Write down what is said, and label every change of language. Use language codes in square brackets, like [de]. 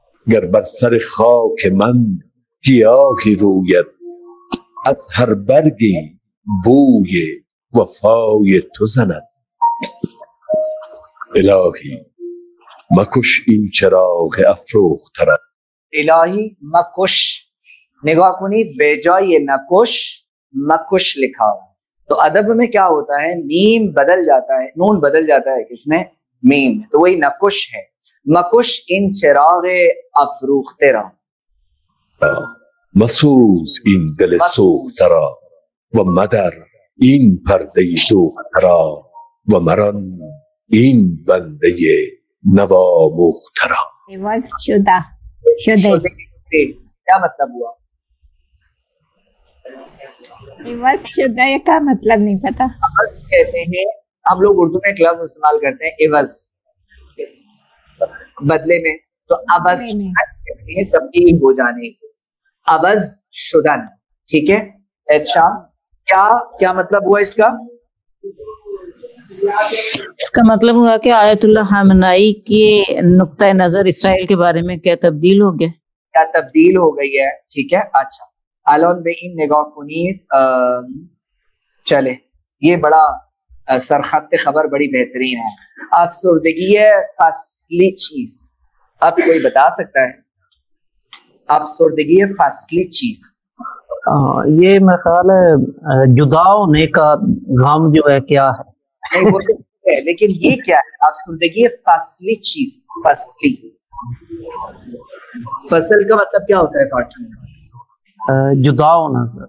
[fa] گر بر سر خاک من گیاهی روید، از هر برگی بوی وفای تو زند. الهی مکش این چراغ افروخته. الهی مکش، نگاه کنید به جای نکش مکش [ur] لکھا ہو. تو ادب میں کیا ہوتا ہے، میم بدل جاتا ہے، نون بدل جاتا ہے کس میں، میم، تو وہی نکش ہے. [fa] مکش ان چراغ افروخته را، مسوز این دل سوخته را، و مدر این پرده دوخته را، و مران این بنده نوا مخته را. عوض شده. [ur] کیا مطلب ہوا؟ عوض شده کا مطلب نہیں پتا. عوض کہتے ہیں ہم لوگ اردو میں ایک لفظ استعمال کرتے ہیں عوض، بدلے میں، تو عوض کہتے ہیں تبدیل ہو جانے کو، عوض شدن. ٹھیک ہے احتشام، کیا مطلب ہوا اس کا؟ اس کا مطلب ہوا کہ آیت اللہ خامنائی کی نقطہ نظر اسرائیل کے بارے میں کیا تبدیل ہو گیا، کیا تبدیل ہو گئی ہے. ٹھیک ہے، اچھا [fa] الان بے ان نگاہ کنید. [ur] چلے، یہ بڑا سرخط خبر بڑی بہترین ہے. [fa] افسردگی فصلی چیز، [ur] اب کوئی بتا سکتا ہے افسردگی فصلی چیز؟ یہ میرا خیال ہے جدا ہونے کا غم جو ہے، کیا ہے لیکن یہ کیا ہے [fa] افسردگی فصلی چیز؟ [ur] فصلی، فصل کا مطلب کیا ہوتا ہے فارسی میں؟ جدا ہونا.